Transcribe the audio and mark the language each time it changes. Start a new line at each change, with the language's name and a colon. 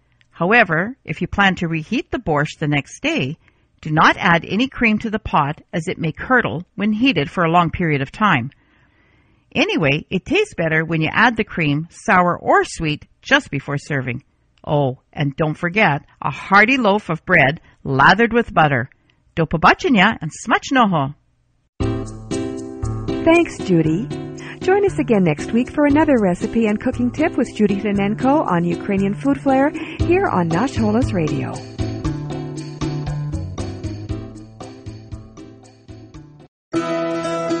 English: However, if you plan to reheat the borscht the next day, do not add any cream to the pot as it may curdle when heated for a long period of time. Anyway, it tastes better when you add the cream, sour or sweet, just before serving. Oh, and don't forget, a hearty loaf of bread lathered with butter.
Ukrainian: До побачення and смачного!
English: Thanks, Judy. Join us again next week for another recipe and cooking tip with Judy Finenko on Ukrainian Food Flair here on Nosh Holos Radio. Thank you.